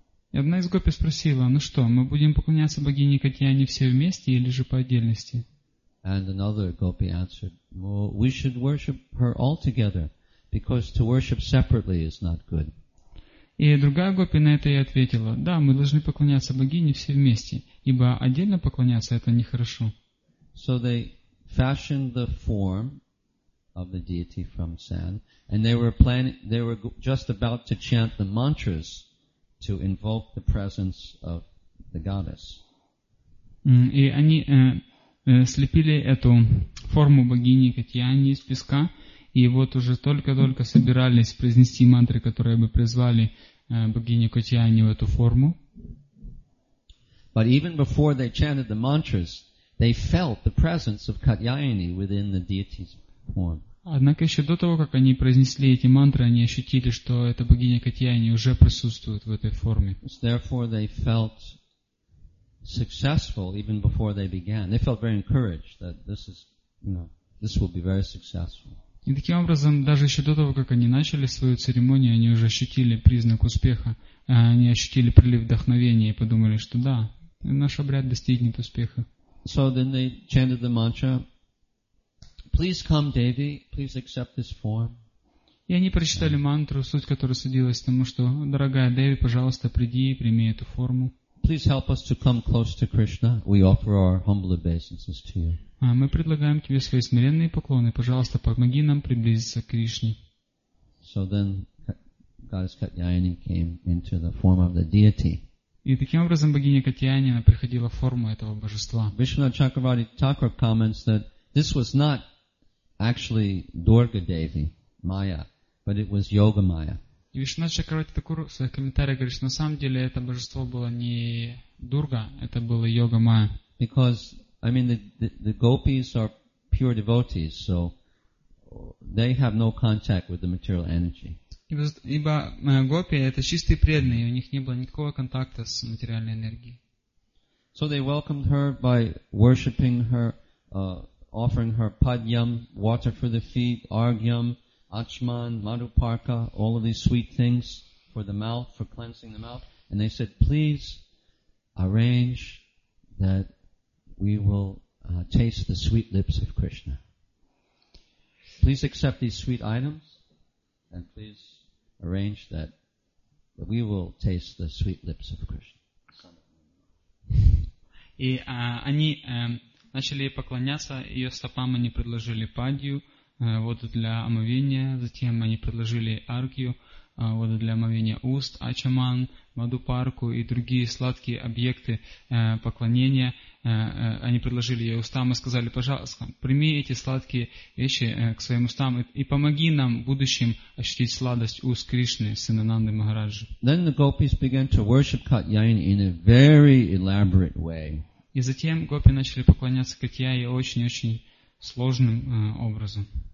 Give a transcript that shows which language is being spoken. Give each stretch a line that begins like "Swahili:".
Russian: И одна из гопи спросила: "Ну что, мы будем поклоняться богине Катьяйни все вместе или же по отдельности?"
English: And another gopi answered, "Well, we should worship her all together." Because to worship separately is not good.
Russian: И другая гопи на это и ответила: "Да, мы должны поклоняться богине все вместе, ибо отдельно поклоняться это нехорошо."
English: So they fashioned the form of the deity from sand, and they were just about to chant the mantras to invoke the presence of the goddess.
Russian: И они слепили эту форму богини Катьяйни из песка. И вот уже только-только собирались произнести мантры, которые бы призвали богиню Катьяйни в эту форму.
English: But even before they chanted the mantras, they felt the presence of Katyayani within the deity's form.
Russian: Однако еще до того, как они произнесли эти мантры, они ощутили, что эта богиня Катьяйни уже присутствует в этой форме.
English: Therefore they felt successful even before they began. They felt very encouraged that this will be very successful.
Russian: И таким образом, даже еще до того, как они начали свою церемонию, они уже ощутили признак успеха, они ощутили прилив вдохновения и подумали, что да, наш обряд достигнет успеха.
English: So then they chanted the mantra, "Please come, Devi, please accept this form."
Russian: И они прочитали мантру, суть которой сводилась к тому, что дорогая Деви, пожалуйста, приди и прими эту форму.
English: Please help us to come close to Krishna. We offer our humble obeisances to you.
Russian: Мы предлагаем тебе свои смиренные поклоны. Пожалуйста, помоги нам приблизиться к Кришне.
English: So then, goddess Katyayani came into the form of the deity.
Russian: И таким образом богиня Катьяйни она приходила в форму этого божества.
English: Vishnu Chakravarti Thakur comments that this was not actually Durga Devi Maya, but it was Yoga Maya.
Russian: И Вишна Чакравати Такур в своих комментариях говорит, что на самом деле это божество было не Дурга, это было Йога Майя.
English: Because, I mean, the gopis are pure devotees, so they have no contact with the material energy.
Russian: Ибо гопи это чистые преданные, у них не было никакого контакта с материальной энергией.
English: So they welcomed her by worshiping her, offering her padyam, water for the feet, argyam, achman, maduparka, all of these sweet things for the mouth, for cleansing the mouth. And they said, please arrange that we will taste the sweet lips of Krishna. Please accept these sweet items and please arrange that we will taste the sweet lips of Krishna.
Russian: И они начали поклоняться ее стопам, они предложили падью, воду для омовения, затем они предложили аргию, воду для омовения уст, ачаман, мадупарку и другие сладкие объекты поклонения. Они предложили ей устам и сказали, пожалуйста, прими эти сладкие вещи к своим устам и помоги нам в будущем ощутить сладость уст Кришны, сына Нанды Махараджи.
English: Then the gopis began to worship Katyayani in a very elaborate way.
Russian: И затем гопи начали поклоняться Катьяе очень-очень сложным образом.